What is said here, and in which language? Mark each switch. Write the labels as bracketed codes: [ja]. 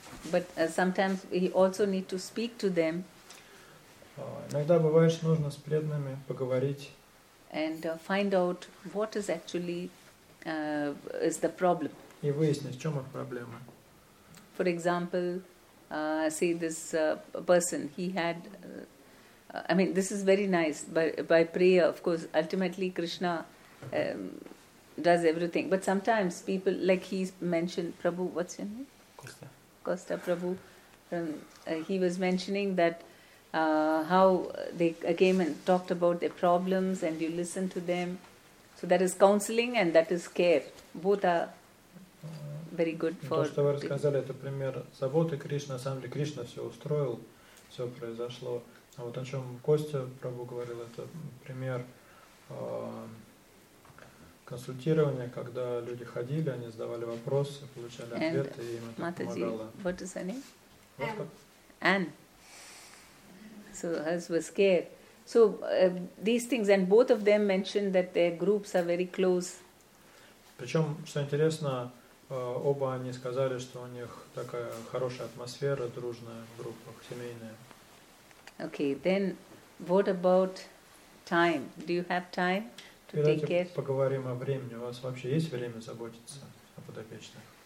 [en] But sometimes we also need to speak to them. [ru] Иногда бывает, что нужно с преданными поговорить. [en] And find out what is actually is the problem. [ru] И выяснить, в чем их проблема. [en] For example, say this person, he had. I mean, this is very nice. By prayer, of course, ultimately Krishna. Does everything, but sometimes people like he mentioned Prabhu. What's your name? Costa Prabhu. He was mentioning that how they came and talked about their problems, and you listen to them. So that is counseling, and that is care. Both are very good for. [ru] То, что вы рассказали, это пример заботы Кришны. На самом деле, Кришна все устроил, все произошло. А вот о чем Костя Прабху говорил, это пример. Консультирование, когда люди ходили, они задавали вопросы, получали ответы, [en] and [ru] и им это Матаджи, помогало. [en] What is her name? Anne. Anne. So hers was care. So these things, and both of them mentioned that their groups are very close. [ru] Причем, что интересно, оба они сказали, что у них такая хорошая атмосфера, дружная в группах, семейная. [en] Okay, then what about time? Do you have time to take care? [ru] Давайте поговорим о времени. У вас вообще есть время заботиться о подопечных?